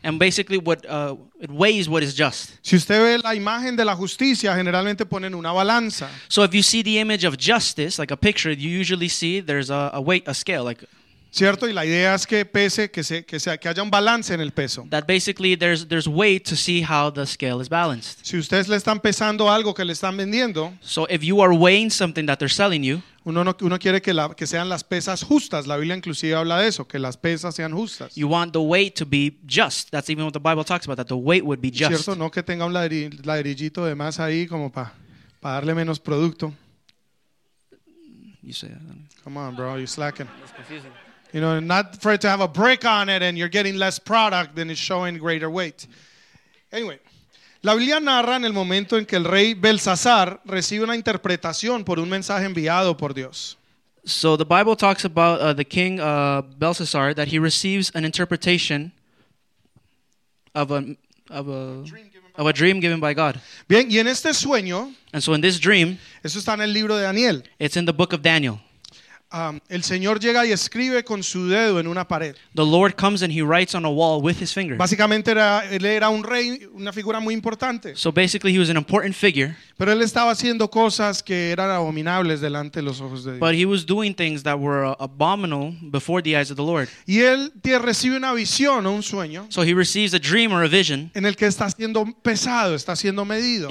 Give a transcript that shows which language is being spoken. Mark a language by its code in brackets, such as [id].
[en] And basically what it weighs what is just. [es] Si usted ve la imagen de la justicia, generalmente ponen una balanza. [en] So if you see the image of justice, like a picture, you usually see there's a weight, a scale, like. [es] Cierto, y la idea es que pese, que haya un balance en el peso. [en] That basically there's weight to see how the scale is balanced. [es] Si ustedes le están pesando algo que le están vendiendo. [en] So if you are weighing something that they're selling you. [es] Uno quiere que sean las pesas justas. La Biblia inclusive habla de eso, que las pesas sean justas. [en] You want the weight to be just. That's even what the Bible talks about, that the weight would be just. [es] Cierto, no que tenga un ladrillito de más ahí como para darle menos producto. [en] You say that. Come on, bro, you're slacking. You know, not for it to have a brick on it and you're getting less product than it's showing greater weight. Anyway. [es] La Biblia narra en el momento en que el rey Belsasar recibe una interpretación por un mensaje enviado por Dios. [en] So the Bible talks about the king Belsasar, that he receives an interpretation of a dream given by God. [es] Bien, y en este sueño, [en] and so in this dream, [es] eso está en el libro de Daniel. [en] It's in the book of Daniel. [es] El Señor llega y escribe con su dedo en una pared. [en] The Lord comes and he writes on a wall with his finger. [es] Básicamente era, él era un rey, una figura muy importante. [en] So basically he was an important figure. [es] Pero él estaba haciendo cosas que eran abominables delante de los ojos de Dios. [en] But he was doing things that were abominable before the eyes of the Lord. [es] Y él recibe una visión o un sueño. [en] So he receives a dream or a vision. [es] En el que está siendo pesado, está siendo medido.